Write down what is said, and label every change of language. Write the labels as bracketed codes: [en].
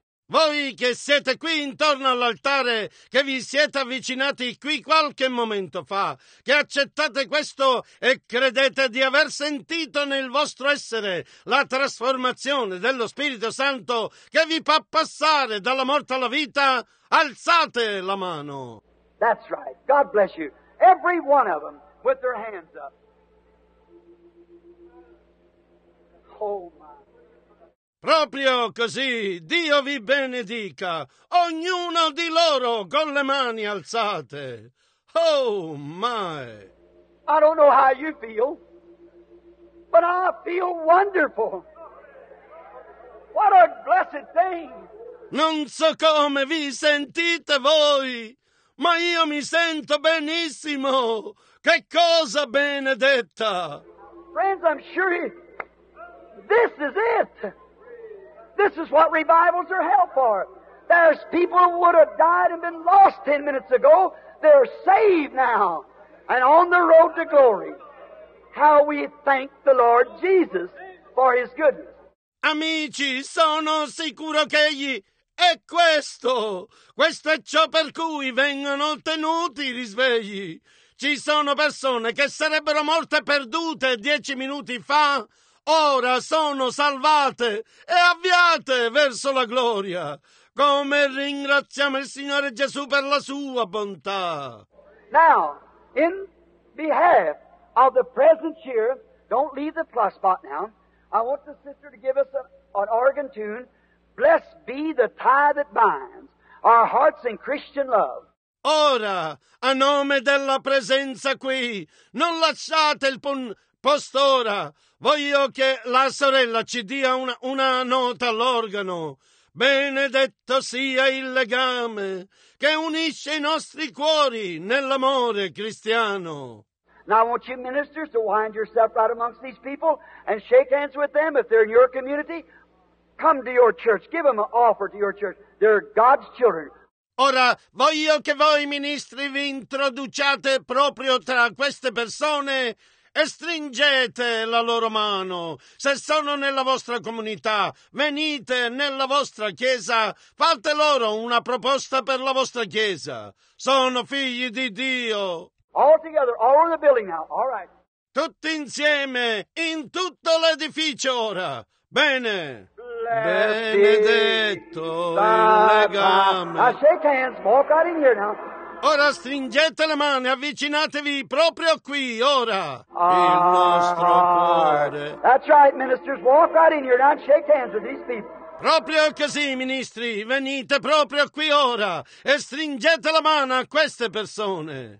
[it] Voi che siete qui intorno all'altare, che vi siete avvicinati qui qualche momento fa, che accettate questo e credete di aver sentito nel vostro essere la trasformazione dello Spirito Santo che vi fa passare dalla morte alla vita, alzate la mano. [en] That's right. God bless you. Every one of them with their hands up. Oh my. [it] Proprio così, Dio vi benedica, ognuno di loro con le mani alzate. [en] Oh, my! I don't know how you feel, but I feel wonderful. What a blessed thing! [it] Non so come vi sentite voi, ma io mi sento benissimo. Che cosa benedetta! [en] Friends, I'm sure this is it. This is what revivals are held for. There's people who would have died and been lost 10 minutes ago. They're saved now and on the road to glory. How we thank the Lord Jesus for His goodness. [it] Amici, sono sicuro che egli è questo. Questo è ciò per cui vengono tenuti i risvegli. Ci sono persone che sarebbero morte perdute 10 minuti fa. Ora sono salvate e avviate verso la gloria. Come ringraziamo il Signore Gesù per la sua bontà. [en] Now, in behalf of the present year, don't leave the plus spot now. I want the sister to give us an organ tune. Blessed be the tie that binds our hearts in Christian love. [it] Ora, a nome della presenza qui, non lasciate il posto ora. Voglio che la sorella ci dia una nota all'organo. Benedetto sia il legame che unisce i nostri cuori nell'amore cristiano. [en] Now I want you ministers to wind yourself right amongst these people and shake hands with them if they're in your community. Come to your church. Give them an offer to your church. They're God's children. [it] Ora voglio che voi ministri vi introduciate proprio tra queste persone e stringete la loro mano. Se sono nella vostra comunità, venite nella vostra chiesa, fate loro una proposta per la vostra chiesa. Sono figli di Dio. [en] All together, all over the building now. All right. [it] Tutti insieme, in tutto l'edificio ora. Bene. Benedetto il legame. [en] Now shake hands. Walk right in here now. [it] Ora stringete le mani, avvicinatevi proprio qui, ora. Il nostro cuore. [en] That's right, ministers. Walk right in here now and shake hands with these people. [it] Proprio così, ministri, venite proprio qui ora e stringete la mano a queste persone.